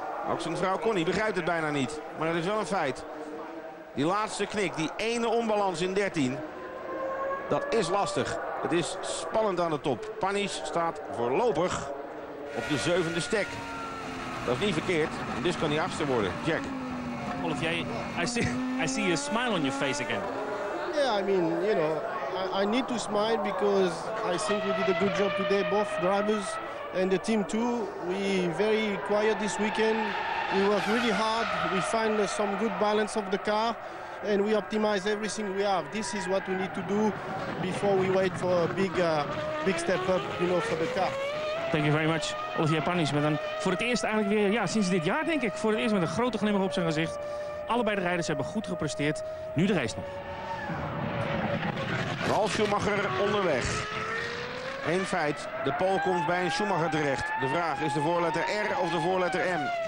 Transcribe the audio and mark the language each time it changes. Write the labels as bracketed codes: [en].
[nl] Ook zijn vrouw Connie begrijpt het bijna niet. Maar dat is wel een feit. Die laatste knik, die ene onbalans in 13. Dat is lastig. Het is spannend aan de top. Panis staat voorlopig op de 7e stek. Dat is niet verkeerd. En dus kan hij 8e worden. Jack. [en] Olivier, I see a smile on your face again. Yeah, I mean, you know, I need to smile because I think we did a good job today, both drivers and the team too. We very quiet this weekend. We work really hard. We find some good balance of the car and we optimize everything we have. This is what we need to do before we wait for a big step up, you know, for the car. Thank you very much, Olivier Panis. [nl] Maar dan voor het eerst eigenlijk weer, ja, sinds dit jaar denk ik, voor het eerst met een grote glimlach op zijn gezicht. Allebei de rijders hebben goed gepresteerd. Nu de race nog. Ralf Schumacher onderweg. Eén feit, de pole komt bij een Schumacher terecht. De vraag is de voorletter R of de voorletter M.